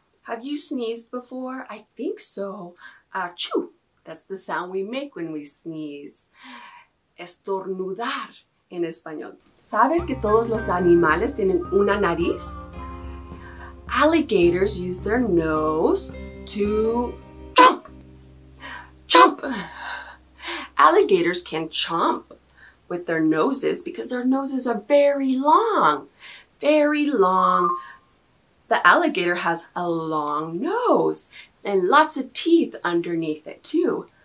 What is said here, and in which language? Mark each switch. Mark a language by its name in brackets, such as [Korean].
[English] Have you sneezed before? I think so. Achoo! That's the sound we make when we sneeze. [Spanish] Estornudar en español. ¿Sabes que todos los animales tienen una nariz? [English] Alligators use their nose to chomp. Chomp! Alligators can chomp with their noses because their noses are very long. Very long. The alligator has a long nose and lots of teeth underneath it too.